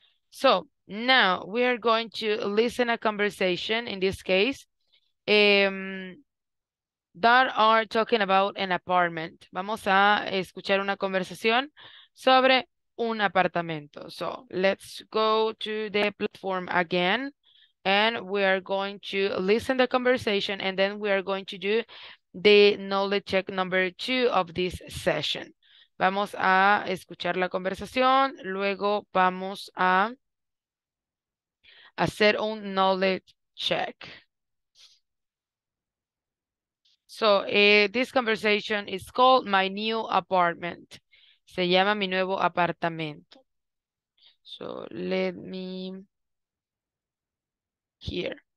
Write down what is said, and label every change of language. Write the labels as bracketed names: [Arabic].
[English] So, now we are going to listen a conversation in this case that are talking about an apartment. [Spanish] Vamos a escuchar una conversación sobre un apartamento. [English] So let's go to the platform again and we are going to listen to the conversation and then we are going to do the knowledge check number two of this session. [Spanish] Vamos a escuchar la conversación, luego vamos a hacer un knowledge check. [English] So this conversation is called My New Apartment. [Spanish] Se llama mi nuevo apartamento. [English] So let me hear.